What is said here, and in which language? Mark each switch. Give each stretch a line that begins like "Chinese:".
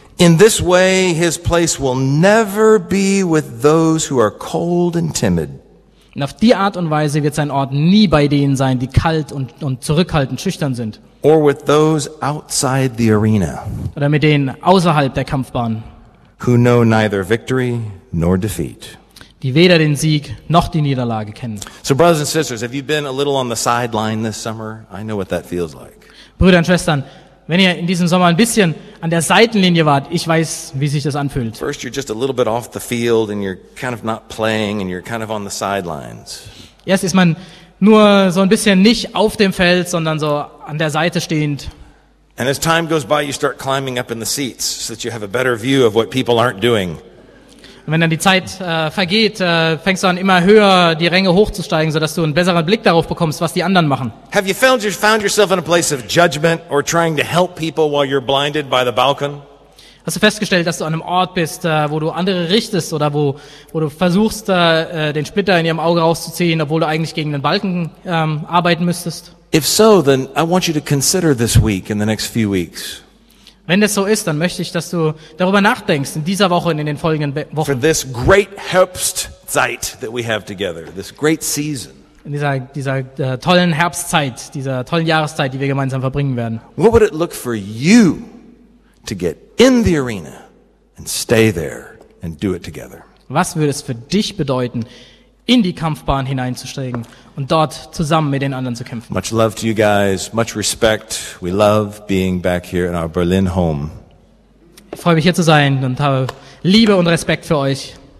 English: In this way his place will never be with those who are cold and timid.
German: Und auf die Art und Weise wird sein Ort nie bei denen sein, die kalt und zurückhaltend, schüchtern sind.
English: Or with those outside the arena.
German: Oder mit denen außerhalb der Kampfbahn.
English: Who know neither victory nor defeat.
German: Die weder den Sieg noch die Niederlage kennen.
English: So brothers and sisters, have you been a little on the sideline this summer? I know what that feels like.
German: Brüder und Schwestern, wenn ihr in diesem Sommer ein bisschen an der Seitenlinie wart, ich weiß, wie sich das anfühlt.
English: First you're just a little bit off the field and you're kind of not playing and you're kind of on the sidelines.
German: Erst ist man nur so ein bisschen nicht auf dem Feld, sondern so an der Seite stehend.
English: And as time goes by, you start climbing up in the seats so that you have a better view of what people aren't doing.
German: Und wenn dann die Zeit vergeht, fängst du an, immer höher die Ränge hochzusteigen, sodass du einen besseren Blick darauf bekommst, was die anderen machen.
English: Have you found yourself in a place of judgment or trying to help people while you're blinded by the balcony?
German: Hast du festgestellt, dass du an einem Ort bist, wo du andere richtest oder wo du versuchst, den Splitter in ihrem Auge rauszuziehen, obwohl du eigentlich gegen den Balken arbeiten müsstest?
English: If so, then I want you to consider this week in the next few weeks.
German: Wenn das so ist, dann möchte ich, dass du darüber nachdenkst in dieser Woche und in den folgenden Wochen.
English: For this great Herbstzeit that we have together, this great season.
German: In dieser tollen Herbstzeit, dieser tollen Jahreszeit, die wir gemeinsam verbringen werden.
English: What would it look for you to get in the arena and stay there and do it together?
German: Was würde es für dich bedeuten, in die Kampfbahn hineinzusteigen und dort zusammen mit den anderen zu kämpfen?
English: Much love to you guys, much respect. We love being back here in our Berlin home.
German: Ich freue mich hier zu sein und habe Liebe und Respekt für euch.